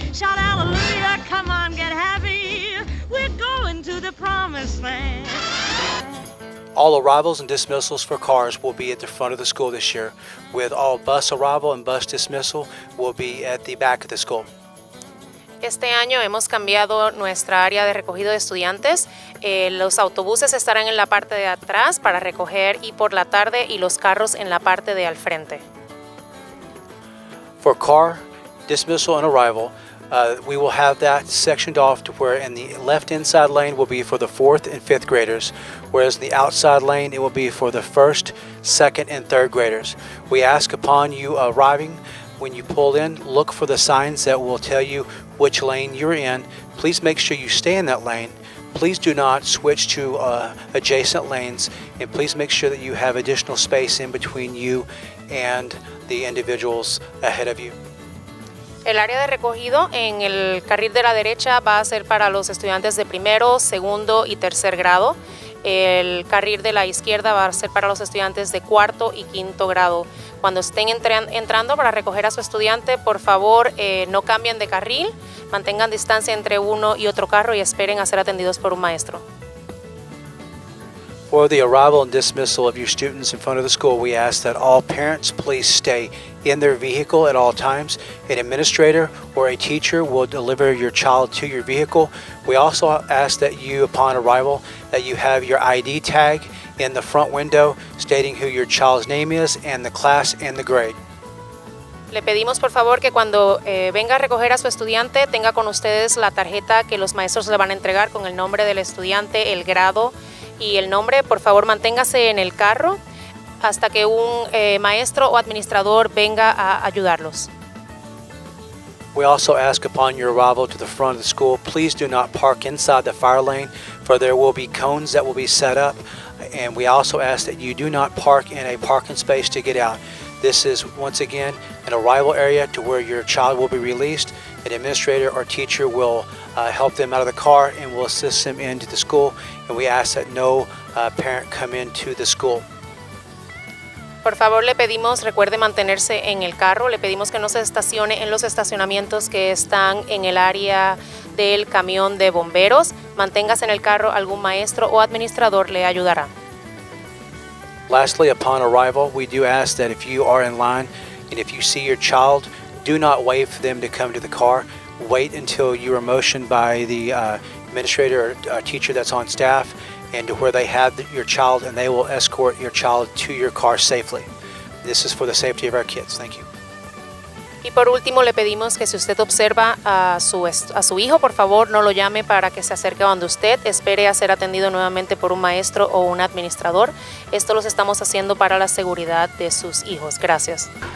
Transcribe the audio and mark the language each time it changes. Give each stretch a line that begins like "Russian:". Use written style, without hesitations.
English: Shout hallelujah, come on, get happy. We're going to the promised land. All arrivals and dismissals for cars will be at the front of the school this year, with all bus arrival and bus dismissal will be at the back of the school.
Spanish: Este año hemos cambiado nuestra área de recogido de estudiantes. Los autobuses estarán en la parte de atrás para recoger y por la tarde, y los carros en la parte de al frente.
English: For car dismissal and arrival, we will have that sectioned off to where in the left inside lane will be for the fourth and fifth graders, whereas in the outside lane it will be for the first, second, and third graders. We ask upon you arriving, when you pull in, look for the signs that will tell you which lane you're in. Please make sure you stay in that lane please do not switch to adjacent lanes, and please make sure that you have additional space in between you and the individuals ahead of you.
Spanish: El área de recogido en el carril de la derecha va a ser para los estudiantes de primero, segundo y tercer grado. El carril de la izquierda va a ser para los estudiantes de cuarto y quinto grado. Cuando estén entrando para recoger a su estudiante, por favor, no cambien de carril, mantengan distancia entre uno y otro carro y esperen a ser atendidos por un maestro.
English: For the arrival and dismissal of your students in front of the school, we ask that all parents please stay in their vehicle at all times. An administrator or a teacher will deliver your child to your vehicle. We also ask that you, upon arrival, that you have your ID tag in the front window stating who your child's name is and the class and the grade.
Spanish: Le pedimos, por favor, que cuando venga a recoger a su estudiante, tenga con ustedes la tarjeta que los maestros le van a entregar con el nombre del estudiante, el grado, y el nombre. Por favor, manténgase en el carro hasta que un maestro o administrador venga a ayudarlos.
English: We also ask, upon your arrival to the front of the school, please do not park inside the fire lane, for there will be cones that will be set up. And we also ask that you do not park in a parking space to get out. This is, once again, an arrival area to where your child will be released. An administrator or teacher will help them out of the car and will assist them into the school. And we ask that no parent come into the school.
Spanish: Por favor, le pedimos, recuerde mantenerse en el carro. Le pedimos que no se estacione en los estacionamientos que están en el área del camión de bomberos. Manténgase en el carro, algún maestro o administrador le ayudará.
English: Lastly, upon arrival, we do ask that if you are in line and if you see your child, do not wait for them to come to the car. Wait until you are motioned by the administrator or teacher that's on staff and to where they have your child, and they will escort your child to your car safely. This is for the safety of our kids. Thank you.
Spanish: Y por último, le pedimos que si usted observa a su hijo, por favor, no lo llame para que se acerque a donde usted. Espere a ser atendido nuevamente por un maestro o un administrador. Esto los estamos haciendo para la seguridad de sus hijos. Gracias.